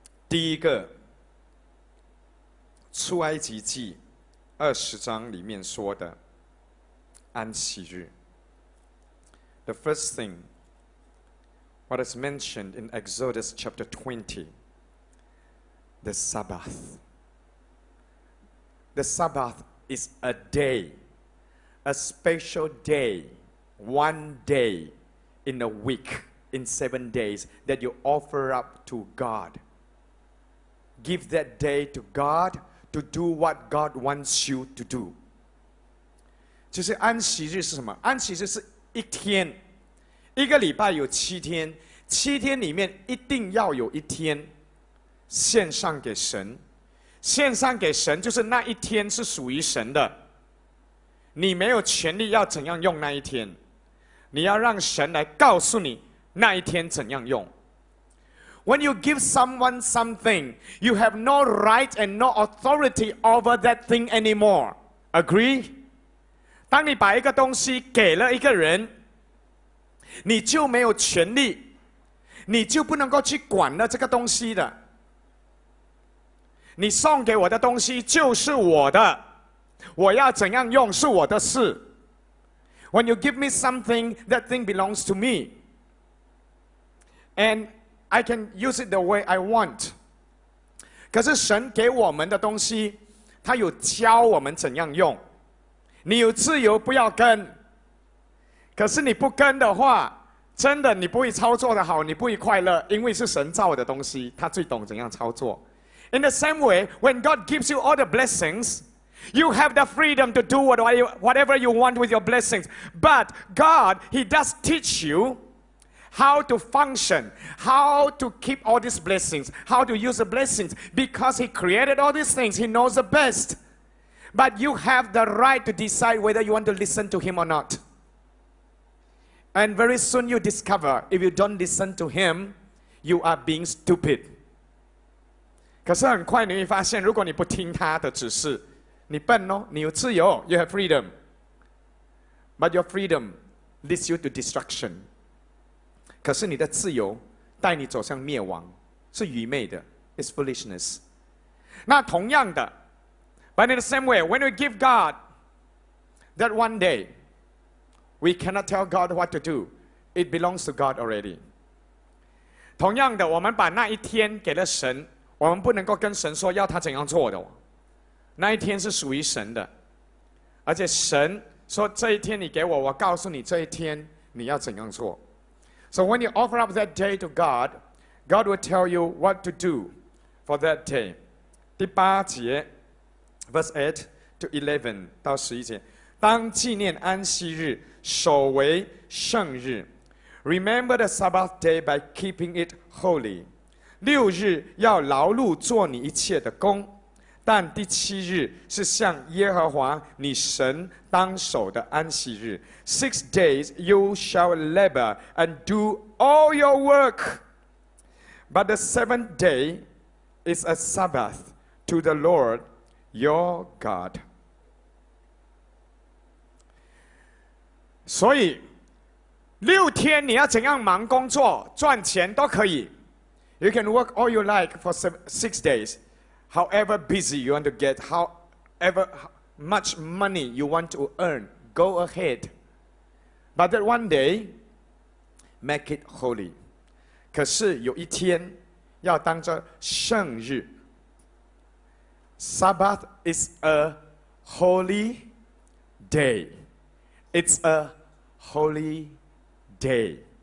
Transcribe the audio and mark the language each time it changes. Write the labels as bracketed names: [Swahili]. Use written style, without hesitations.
[Chinese] 第一个，出埃及记二十章里面说的安息日。 [English] The first thing, what is mentioned in Exodus chapter 20, the Sabbath. The Sabbath is a day, a special day, one day in a week, in 7 days, that you offer up to God. Give that day to God to do what God wants you to do. [Chinese] 就是安息日是什么？安息日是一天。一个礼拜有七天，七天里面一定要有一天献上给神。献上给神就是那一天是属于神的，你没有权利要怎样用那一天，你要让神来告诉你那一天怎样用。 [English] When you give someone something, you have no right and no authority over that thing anymore. Agree? [Chinese] 当你把一个东西给了一个人，你就没有权利，你就不能够去管了这个东西的。你送给我的东西就是我的，我要怎样用是我的事。 [English] When you give me something, that thing belongs to me, and I can use it the way I want. [Chinese] 可是神给我们的东西，他有教我们怎样用，你有自由不要跟，可是你不跟的话，真的你不会操作的好，你不会快乐，因为是神造的东西，他最懂怎样操作。 [English] In the same way, when God gives you all the blessings, you have the freedom to do whatever you want with your blessings. But God, he does teach you how to function, how to keep all these blessings, how to use the blessings, because he created all these things, he knows the best. But you have the right to decide whether you want to listen to him or not. And very soon you discover, if you don't listen to him, you are being stupid. [Chinese] 可是很快你会发现，如果你不听他的指示，你笨哦，你有自由， [English] you have freedom. But your freedom leads you to destruction. [Chinese] 可是你的自由带你走向灭亡，是愚昧的， [English] it's foolishness. [Chinese] 那同样的， [English] but in the same way, when we give God that one day,We cannot tell God what to do. It belongs to God already. [Chinese] 同样的，我们把那一天给了神，我们不能够跟神说要他怎样做的。那一天是属于神的，而且神说这一天你给我，我告诉你这一天你要怎样做。 [English] So when you offer up that day to God, God will tell you what to do for that day. [Chinese] 第八节 ， [English] verse 8 to 11 [Chinese] 到十一节。当纪念安息日，守为圣日。 [English] Remember the Sabbath day by keeping it holy. [Chinese] 六日要劳碌做你一切的工，但第七日是向耶和华你神当守的安息日。 [English] Six days you shall labor and do all your work, but the seventh day is a Sabbath to the Lord your God. [Chinese] 所以六天你要怎样忙工作赚钱都可以。 [English] You can work all you like for six days, however busy you want to get, however much money you want to earn, go ahead. But that one day, make it holy. [Chinese] 可是有一天要当作圣日。 [English] Sabbath is a holy day. It's aHoly day,